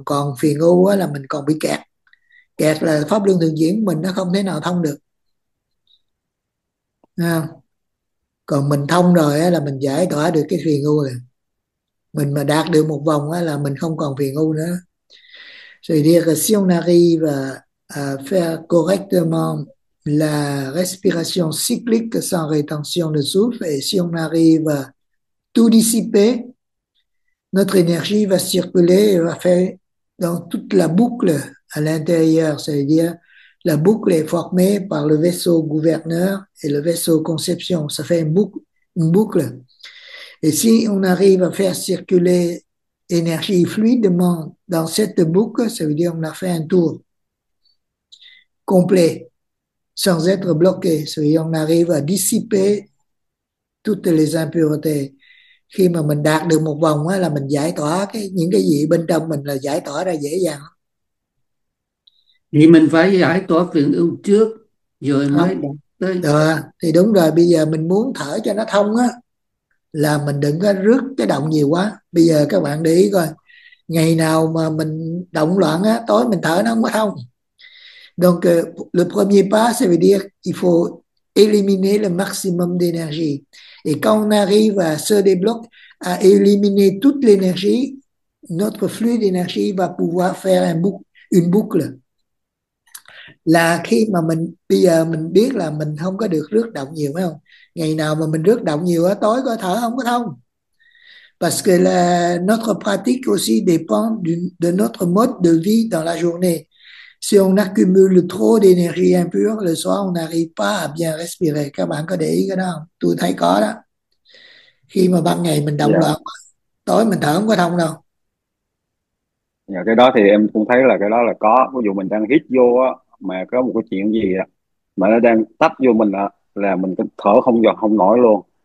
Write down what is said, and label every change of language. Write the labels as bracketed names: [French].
[Vietnamese] Còn phiền ngu á là mình còn bị kẹt, kẹt là pháp luân thường chuyển mình nó không thể nào thông được, à. Còn mình thông rồi á là mình giải tỏa được cái phiền ngu rồi, mình mà đạt được một vòng á là mình không còn phiền ngu nữa. [French] Régressionnaire và faire correctement la respiration cyclique sans rétention de souffle, et si on arrive à tout dissiper, notre énergie va circuler et va faire dans toute la boucle à l'intérieur. C'est-à-dire, la boucle est formée par le vaisseau gouverneur et le vaisseau conception. Ça fait une boucle. Et si on arrive à faire circuler énergie fluidement dans cette boucle, ça veut dire qu'on a fait un tour complet sans être bloqué. Ça veut dire qu'on arrive à dissiper toutes les impuretés. [Vietnamese] Khi mà mình đạt được một vòng á là mình giải tỏa cái những cái gì bên trong mình là giải tỏa ra dễ dàng. Thì mình phải giải tỏa phiền ưu trước rồi mới Không. tới. Được. Thì đúng rồi, bây giờ mình muốn thở cho nó thông á là mình đừng có rước cái động nhiều quá. Bây giờ các bạn để ý coi, ngày nào mà mình động loạn á, tối mình thở nó không có thông. [French] Donc le premier pas, ça veut dire il faut éliminer le maximum d'énergie. Et quand on arrive à se débloquer, à éliminer toute l'énergie, notre flux d'énergie va pouvoir faire une boucle. [Vietnamese] Là khi mà mình bây giờ mình biết là mình không có được rước động nhiều, phải không? Ngày nào mà mình rước động nhiều á, tối có thở không có thông. [French] Parce que notre pratique aussi dépend de notre mode de vie dans la journée. Si on accumule trop d'énergie impure, le soir, on n'arrive pas à bien respirer. [Vietnamese] Các bạn có để ý cái đó không? Tôi thấy có đó. Khi mà ban ngày mình động loạn, tối mình thở không có thông đâu. Cái đó thì em cũng thấy là cái đó là có, ví dụ mình đang hít vô á, mà có một cái chuyện gì á, mà nó đang tấp vô mình á, là mình thở không giọt không nổi luôn